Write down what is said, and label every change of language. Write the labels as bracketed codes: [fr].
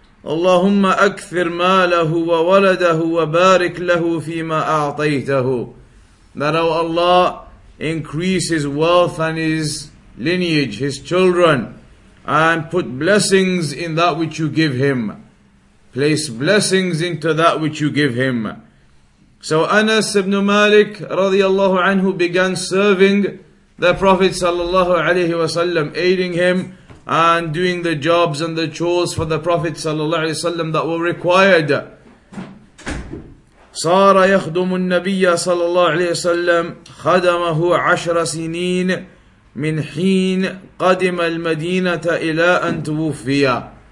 [ar] اللهم أكثر ماله وولده وبارك له فيما أعطيته. [en] That O Allah, increase his wealth and his lineage, his children, and put blessings in that which you give him. Place blessings into that which you give him. So Anas ibn Malik radiallahu anhu began serving the Prophet sallallahu alayhi wa sallam, aiding him and doing the jobs and the chores for the Prophet sallallahu alayhi wa sallam that were required. [ar] صار يخدم النبي صلى الله عليه وسلم خدمه عشر سنين من حين قدم المدينة إلى أن توفي.